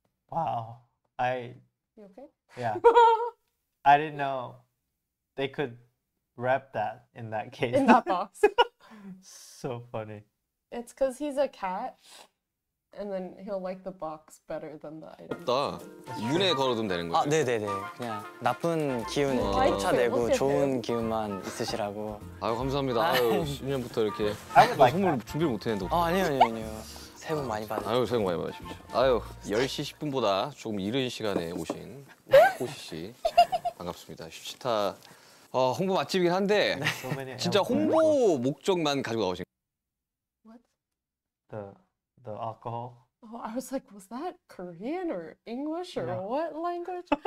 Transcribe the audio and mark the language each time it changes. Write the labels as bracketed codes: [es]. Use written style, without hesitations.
[en] Wow. You okay? Yeah. I didn't know they could wrap that in that case. In that box. So funny. It's because he's a cat, and then he'll like the box better than the item. [ko] 없다. 문에 걸어두면 되는 거지. 아, 네네네. 그냥 나쁜 기운 이렇게 쫓아내고 좋은 기운만 있으시라고. 아유, 감사합니다. 아유, 10년부터 이렇게 선물 준비를 못했는데. 아, 아니요. 새해 복 많이 받으세요. 아유, 새해 복 많이 받으십시오. 아유, 10시 10분보다 조금 이른 시간에 오신 호시 씨. 반갑습니다. 슈치타. 홍보 맛집이긴 한데 진짜 홍보 목적만 가지고 나오신 [en] The alcohol. Oh, I was like, was that Korean or English or what language?